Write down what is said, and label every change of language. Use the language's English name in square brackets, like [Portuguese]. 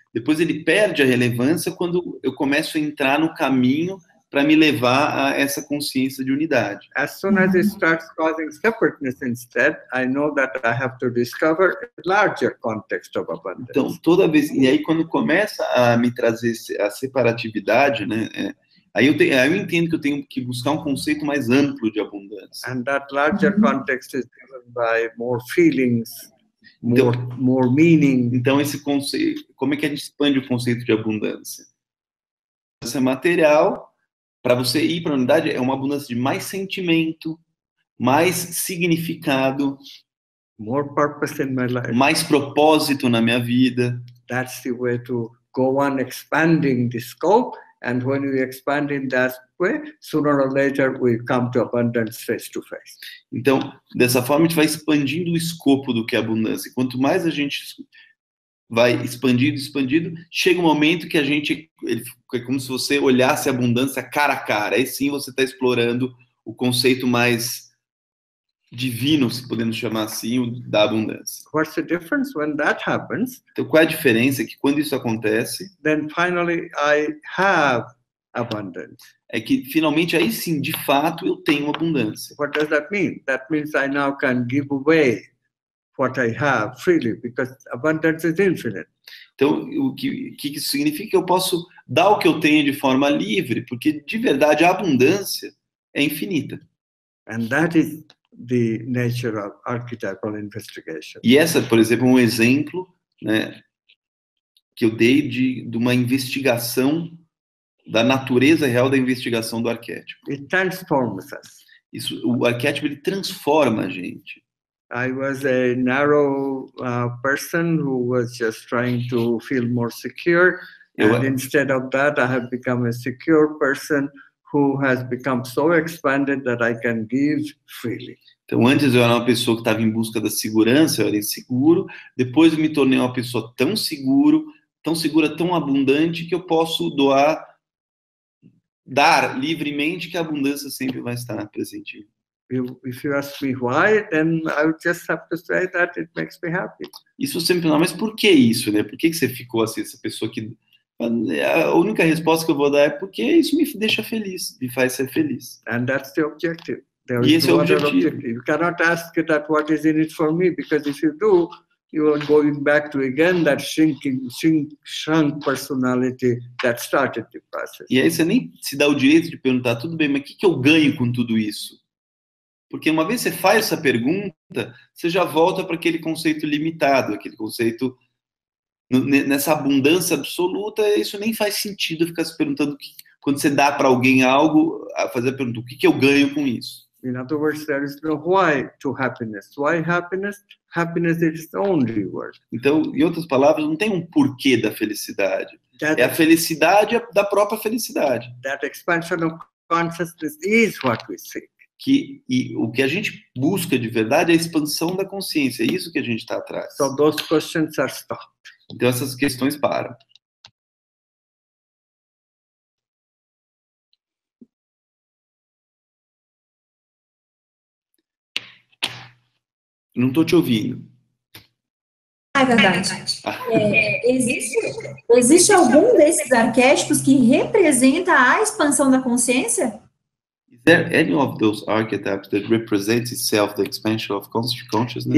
[Portuguese] Depois ele perde a relevância quando eu começo a entrar no caminho para me levar a essa consciência de unidade. [English] As soon as it starts causing separateness instead, I know that I have to discover a larger context of abundance. [Portuguese] Então, toda vez, e aí quando começa a me trazer a separatividade, né, aí eu entendo que eu tenho que buscar um conceito mais amplo de abundância. [English] And that larger context is driven by more feelings, more meaning. [Portuguese] Então, esse conceito, como é que a gente expande o conceito de abundância? Abundância material, para você ir para a unidade, é uma abundância de mais sentimento, mais significado, [English] more purpose in my life. [Portuguese] Mais propósito na minha vida. [English] That's the way to go on expanding the scope. And when we expand in that way, sooner or later we come to abundance face to face. [Portuguese] Então, dessa forma a gente vai expandindo o escopo do que é abundância. Quanto mais a gente vai expandindo, chega um momento que a gente, é como se você olhasse a abundância cara a cara. Aí sim você está explorando o conceito mais divino, se podemos chamar assim, o da abundância. [English] What's the difference when that happens? [Portuguese] Então, qual é a diferença que quando isso acontece? [English] Then finally I have abundance. [Portuguese] É que finalmente aí sim, de fato, eu tenho abundância. [English] What does that mean? That means I now can give away what I have freely, because abundance is infinite. [Portuguese] Então, o que isso significa? Que eu posso dar o que eu tenho de forma livre, porque de verdade a abundância é infinita. [English] And that is the nature of archetypal investigation. [Portuguese] E essa, por exemplo, um exemplo, né, que eu dei de uma investigação da natureza real da investigação do arquétipo. [English] It transforms us. [Portuguese] Isso, o arquétipo ele transforma a gente. [English] I was a narrow person who was just trying to feel more secure, and instead of that, I have become a secure person who has become so expanded that I can give freely. [Portuguese] Então, antes eu era uma pessoa que estava em busca da segurança, eu era inseguro, depois eu me tornei uma pessoa tão segura, tão abundante, que eu posso dar livremente, que a abundância sempre vai estar presente. [English] If you ask me why, then I would just have to say that it makes me happy. [Portuguese] Isso sempre, mas por que isso, né? Por que você ficou assim, essa pessoa que A única resposta que eu vou dar é porque isso me deixa feliz, me faz ser feliz. [English] And that's the objective. There is no other objective. You cannot ask that what is in it for me, because if you do, you are going back to again that shrunk personality that started the process. [Portuguese] E aí você nem se dá o direito de perguntar, tudo bem, mas o que, que eu ganho com tudo isso? Porque uma vez você faz essa pergunta, você já volta para aquele conceito limitado, aquele conceito nessa abundância absoluta, isso nem faz sentido ficar se perguntando que, quando você dá para alguém algo, fazer a pergunta, o que, que eu ganho com isso? [English] In other words, there is no why to happiness. Why happiness? Happiness is its own reward. [Portuguese] Então, em outras palavras, não tem um porquê da felicidade. That é a felicidade da própria felicidade. [English] That expansion of consciousness is what we seek. [Portuguese] Que, e o que a gente busca de verdade é a expansão da consciência. É isso que a gente está atrás. [English] So those questions are stopped. [Portuguese] Então essas questões param. Não estou te ouvindo. Ah, é verdade. Existe algum desses arquétipos que representa a expansão da consciência? [English] Is there any of those archetypes that represents itself, the expansion of consciousness?